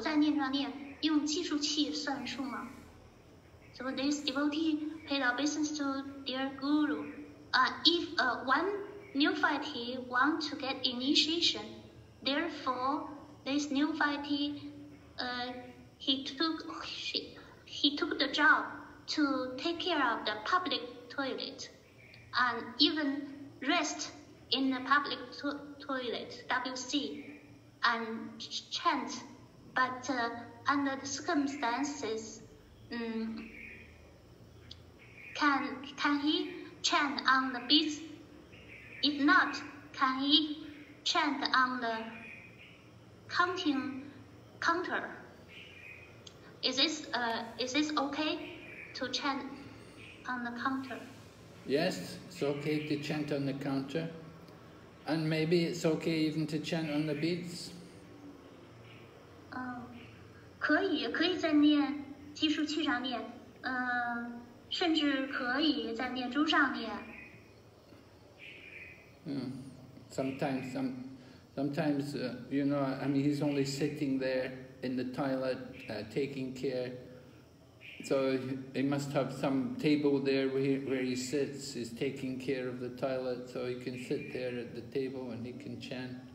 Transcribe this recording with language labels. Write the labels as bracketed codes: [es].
[zh] 如果不在念上念，用计数器算数吗？ [en] So this devotee paid obeisance to dear guru. If one new devotee want to get initiation, therefore this new devotee, he took the job to take care of the public. Toilet and even rest in the public toilet WC and chant, but under the circumstances, can he chant on the beach? If not, can he chant on the counting counter? Is this okay to chant on the counter? Yes, it's okay to chant on the counter, and maybe it's okay even to chant on the beads. [zh] 可以在念计数器上念，甚至可以在念珠上念。 [en] Sometimes, you know, I mean, he's only sitting there in the toilet, taking care. So he must have some table there where he sits, he's taking care of the toilet, so he can sit there at the table and he can chant.